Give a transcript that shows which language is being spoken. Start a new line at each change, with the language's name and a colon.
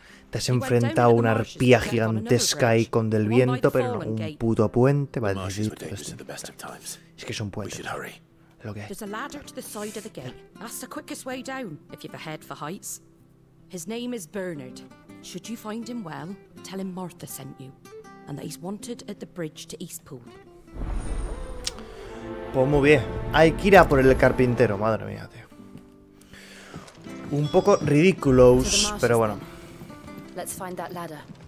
Spanish: Te has enfrentado a una arpía gigantesca ahí con del viento, pero no, un puto puente va a decidir tu destino. Es que es un puente. Lo que hay.
English: That's the quickest way down if you've a head for heights. His name is Bernard. Should you find him well, tell him Martha sent you and that he's wanted at the bridge to Eastpool.
Spanish: Pues muy bien, hay que ir a por el carpintero, madre mía, tío. Un poco ridículos, pero bueno.
English: Let's find that ladder.